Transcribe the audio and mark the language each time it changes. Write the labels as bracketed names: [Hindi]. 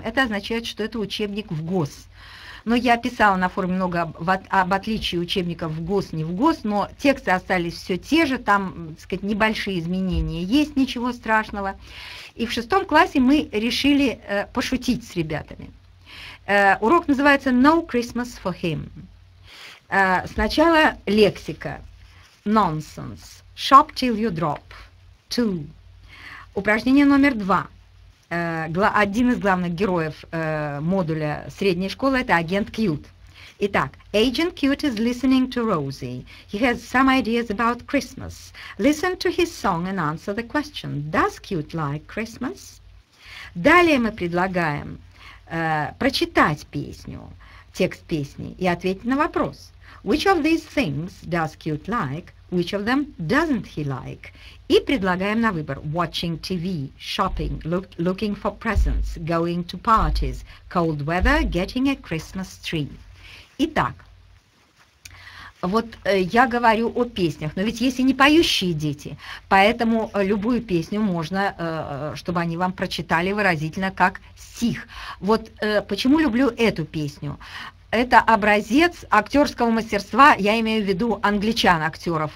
[Russian] Это означает, что это учебник в ГОС. Но я писала на форуме много об отличии учебников в ГОС, не в ГОС, но тексты остались все те же, там, так сказать, небольшие изменения есть, ничего страшного. И в 6-м классе мы решили пошутить с ребятами. Урок называется [English] «No Christmas for him». [Russian] Сначала лексика. [English] «Nonsense», «Shop till you drop», «Two». [Russian] Упражнение номер два. Один из главных героев модуля средней школы – это агент Кьют. [English] Итак, «Agent Kjut is listening to Rosie. He has some ideas about Christmas. Listen to his song and answer the question. Does Kjut like Christmas?» [Russian] Далее мы предлагаем прочитать песню, текст песни и ответить на вопрос. [English] Which of these things does Kjut like? Which of them doesn't he like? [Russian] И предлагаем на выбор. [English] Watching TV, shopping, looking for presents, going to parties, cold weather, getting a Christmas tree. [Russian] Итак, вот я говорю о песнях, но ведь есть и не поющие дети, поэтому любую песню можно, чтобы они вам прочитали выразительно как стих. Вот почему люблю эту песню? Это образец актерского мастерства, я имею в виду англичан-актеров.